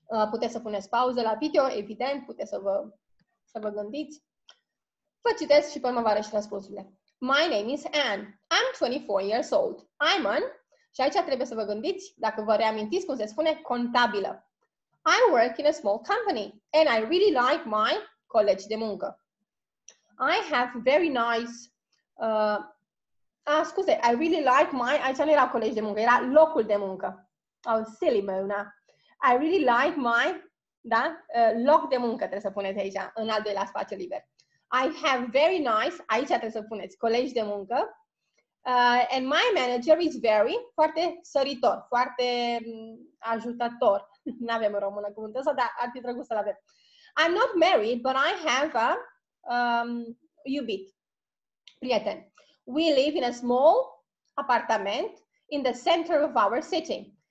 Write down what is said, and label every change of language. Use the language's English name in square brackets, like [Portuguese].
[Romanian] Puteți să puneți pauză la video, evident, puteți să vă gândiți. Vă citesc și pe urmă vă arăt și răspunsurile. [English] My name is Anne. I'm 24 years old. I'm an... [Romanian] Și aici trebuie să vă gândiți, dacă vă reamintiți, cum se spune, contabilă. [English] I work in a small company and I really like my [Romanian] colegi de muncă. [English] I have very nice... I really like my... [Romanian] Aici nu era colegi de muncă, era locul de muncă. [English] Oh, silly, Mona. I really like my, [Romanian] da? Loc de muncă trebuie să puneți aici, în al doilea spațiu liber. [English] I have very nice, [Romanian] aici trebuie să puneți, colegi de muncă. [English] And my manager is very, [Romanian] foarte săritor, foarte ajutător. N-avem în română cuvântul ăsta, dar ar fi drăguț să-l avem. [English] I'm not married, but I have a [Romanian] iubit, prieten. [English] We live in a small apartment in the center of our city.